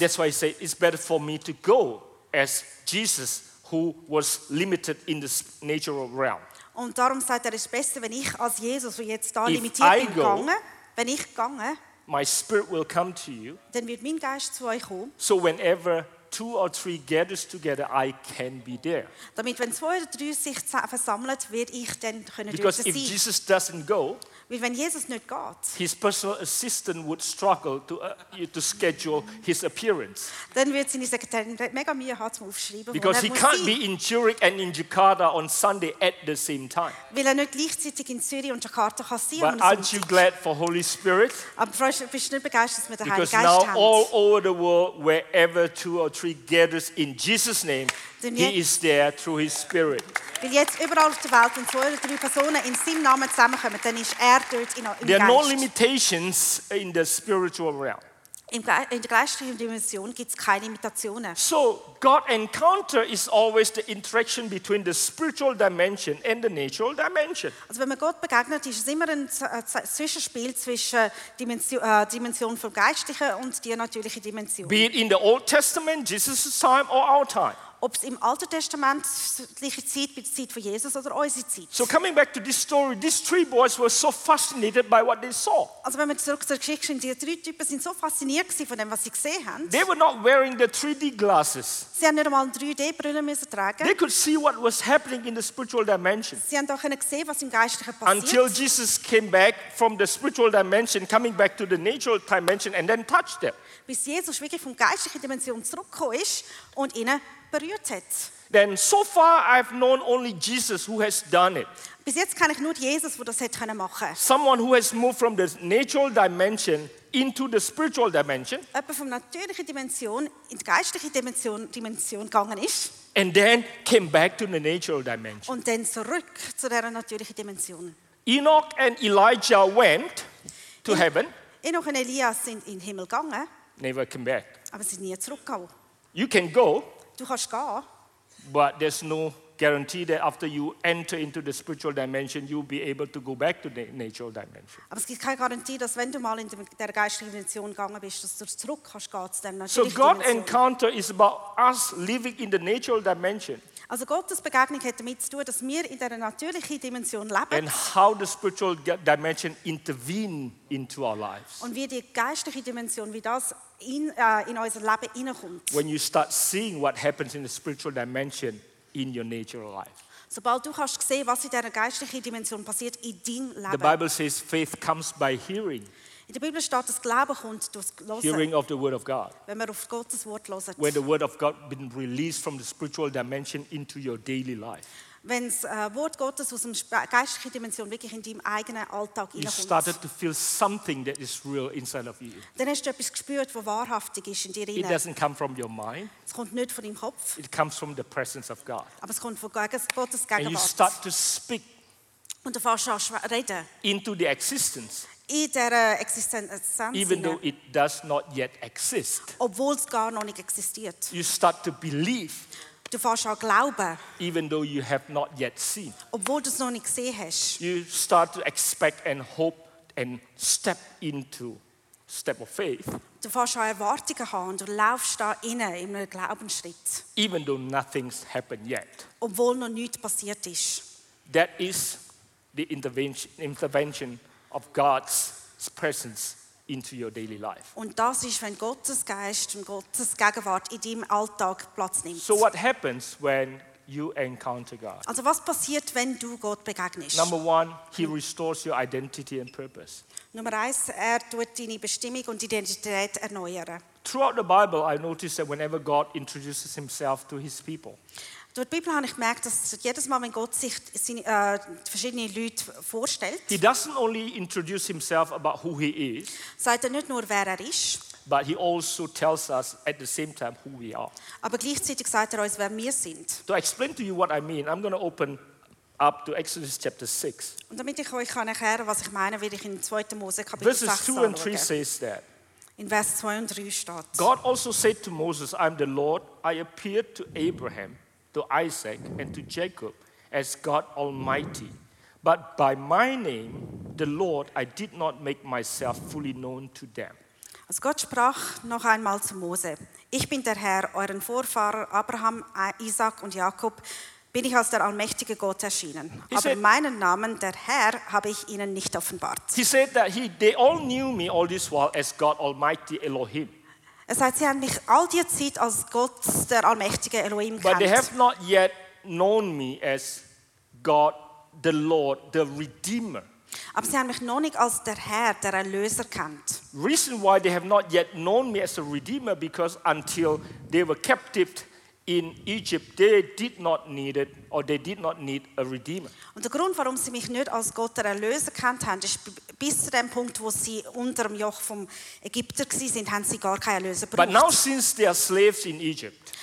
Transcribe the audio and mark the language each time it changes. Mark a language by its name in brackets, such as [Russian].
[English] That's why he said, it's better for me to go as Jesus, who was limited in the natural realm. [German] Und darum sagt er, es ist besser, wenn ich als Jesus, der jetzt da limitiert bin, gegangen, wenn ich gegangen, [English] my spirit will come to you, [German] dann wird mein Geist zu euch kommen. [English] So whenever two or three gathers together, I can be there. [German] Damit, wenn zwei oder drei sich versammelt, wird ich dann können. [English] Because [German] dort sein. [English] If Jesus doesn't go, [German] weil wenn Jesus nicht geht, [English] his personal assistant would struggle to schedule his appearance. [German] Dann wird seine Sekretärin mega Mühe haben, zum Aufschreiben. [English] Because he can't be in Zurich and in Jakarta on Sunday at the same time. [German] Weil er nicht gleichzeitig in Zürich und Jakarta kann sein. [English] But aren't you glad for Holy Spirit? [German] Aber bist du nicht begeistert, dass wir den Heiligen Geist haben? [English] Because now all over the world, wherever two or three gathers in Jesus' name, he is there through his spirit. [German] Weil jetzt überall auf der Welt, wenn zwei oder drei Personen in seinem Namen zusammenkommen, dann ist er dort im Geist. [English] There are no limitations in the spiritual realm. [German] In der geistlichen Dimension gibt es keine Limitationen. [English] So, God encounter is always the interaction between the spiritual dimension and the natural dimension. [German] Also wenn man Gott begegnet, ist es immer ein Zwischenspiel zwischen Dimension vom Geistlichen und der natürlichen Dimension. [English] Be it in the Old Testament, Jesus' time or our time. [German] Ob es im Alten Testament gleiche Zeit mit der Zeit von Jesus oder unsere Zeit. [English] So coming back to this story, these three boys were so fascinated by what they saw. [German] Also wenn wir zurück zur Geschichte sind, die drei Typen sind so fasziniert gewesen von dem, was sie gesehen haben. [English] They were not wearing the 3D glasses. [German] Sie haben nicht einmal 3D-Brille müssen tragen. [English] They could see what was happening in the spiritual dimension. [German] Sie haben doch gesehen, was im Geistlichen passiert. [English] Until Jesus came back from the spiritual dimension, coming back to the natural dimension and then touched them. [German] Bis Jesus wirklich vom geistlichen Dimension zurückgekommen ist und ihnen berührt hat. [English] Then so far I've known only Jesus who has done it. [German] Bis jetzt kenne ich nur Jesus, der das hätte können machen. [English] Someone who has moved from the natural dimension into the spiritual dimension. [German] Jemand vom natürlichen Dimension in die geistliche Dimension gegangen ist. [English] And then came back to the natural dimension. [German] Und dann zurück zu der natürlichen Dimension. [English] Enoch and Elijah went to heaven. [German] Enoch und Elias sind in den Himmel gegangen. [English] Never came back. [German] Aber sie sind nie zurückgekommen. [English] You can go. [German] Du kannst gehen. [English] But there's no guarantee that after you enter into the spiritual dimension, you'll be able to go back to the natural dimension. [German] Aber es gibt keine Garantie, dass wenn du mal in der geistlichen Dimension gegangen bist, dass du zurück kannst gehen zu der natürlichen Dimension. [English] So God encounter is about us living in the natural dimension. [German] Also Gottes Begegnung hat damit zu tun, dass wir in der natürlichen Dimension leben. [English] And how the spiritual dimension intervene into our lives. [German] Und wie die geistliche Dimension, wie das in unser Leben hineinkommt. [English] When you start seeing what happens in the spiritual dimension in your natural life. [German] Sobald du kannst sehen, was in der geistlichen Dimension passiert in deinem Leben. [English] The Bible says faith comes by hearing. [German] In der Bibel steht, dass Glaube kommt durch Hören. [English] Hearing of the word of God. [German] Wenn man auf Gottes Wort hört. [English] When the word of God been released from the spiritual dimension into your daily life. [German] wenn das Wort Gottes aus dem geistlichen Dimension wirklich in deinem eigenen Alltag [English] you started to feel something that is real inside of you. [German] Dann hast du etwas gespürt, was wahrhaftig ist in dir drin. [English] It doesn't come from your mind. [German] Es kommt nicht von deinem Kopf. [English] It comes from the presence of God. [German] Aber es kommt von Gottes Gegenwart. [English] And you start to speak. [German] Und dann fährst du an zu reden. [English] Into the existence. [German] In der Existenz. [English] Even though it does not yet exist. [German] Obwohl es gar noch nicht existiert. [English] You start to believe. [German] Du fährst an glauben. [English] Even though you have not yet seen. [German] Obwohl du es noch nicht gesehen hast. [English] You start to expect and hope and step into step of faith. [German] Du fährst an Erwartungen haben und du läufst da innen in einem Glaubensschritt. [English] Even though nothing's happened yet. [German] Obwohl noch nichts passiert ist. [English] That is the intervention of God's presence into your daily life. [German] Und das ist, wenn Gottes Geist und Gottes Gegenwart in deinem Alltag Platz nimmt. [English] So what happens when you encounter God? [German] Also was passiert, wenn du Gott begegnest? [English] Number one, he restores your identity and purpose. [German] Nummer eins, er tut deine Bestimmung und Identität erneuern. [English] Throughout the Bible, I notice that whenever God introduces himself to his people, [German] durch die Bibel habe ich gemerkt, dass jedes Mal, wenn Gott sich seine, verschiedene Leute vorstellt, [English] he doesn't only introduce himself about who he is, [German] sagt er nicht nur, wer er ist, [English] but he also tells us at the same time who we are. [German] Aber gleichzeitig sagt er uns, wer wir sind. [English] To explain to you what I mean, I'm going to open up to Exodus chapter 6. [German] Und damit ich euch kann erklären, was ich meine, werde ich in 2. Mose Kapitel 6 anschauen. [English] Verses 2 and 3 says that. [German] In Vers 2 und 3 steht. [English] God also said to Moses, I'm the Lord, I appeared to Abraham, to Isaac and to Jacob as God Almighty. But by my name, the Lord, I did not make myself fully known to them. [German] Also Gott sprach noch einmal zu Mose. Ich bin der Herr, euren Vorfahren Abraham, Isaac und Jakob, bin ich als der allmächtige Gott erschienen. He aber said, meinen Namen, der Herr, habe ich ihnen nicht offenbart. [English] He said that they all knew me all this while as God Almighty Elohim. [German] Er sagt, sie haben mich all die Zeit als Gott, der allmächtige Elohim, kennt. [English] But they have not yet known me as God, the Lord, the Redeemer. [German] Aber sie haben mich noch nicht als der Herr, der Erlöser, kennt. [English] Reason why they have not yet known me as a Redeemer, because until they were captive in Egypt, they did not need it, or they did not need a Redeemer. [German] Und der Grund, warum sie mich nicht als Gott, der Erlöser, kennt haben, ist bis zu dem Punkt, wo sie unter dem Joch vom Ägypter gsi sind, haben sie gar keinen Erlöser gebraucht. [English] But now since they are slaves in Egypt,